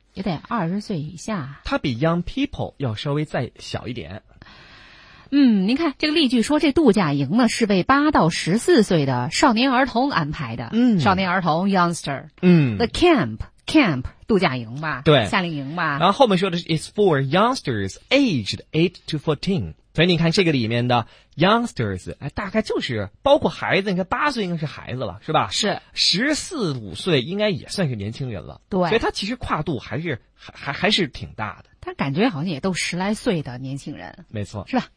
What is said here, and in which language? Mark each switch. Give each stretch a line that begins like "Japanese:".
Chinese: 也得20岁以下。他比 young people 要稍微再小一点。嗯，您看这个例句说这度假营呢是为8到14岁的少年儿童安排的。嗯，少年儿童 youngster。嗯，the camp 度假营吧，对，夏令营吧。然后后面说的是
English: is for youngsters aged 8 to 14。
Chinese: 所以你看这个里面的 youngsters， 哎，大概就是包括孩子，你看8岁应该是孩子了，是吧？是 14、15岁应该也算是年轻人了。对，所以他其实跨度还是挺大的。但感觉好像也都10来岁的年轻人，没错，是吧？